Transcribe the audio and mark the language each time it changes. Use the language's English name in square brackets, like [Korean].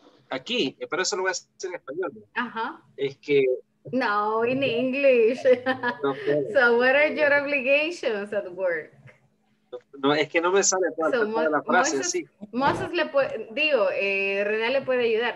[Spanish] Aquí, pero eso lo voy a hacer en español. Ajá. Es que... [English] No, in English. No, so what are your obligations at work? [Spanish] No, es que no me sale toda la frase, Moses, sí. Moses le puede, digo, René le puede ayudar.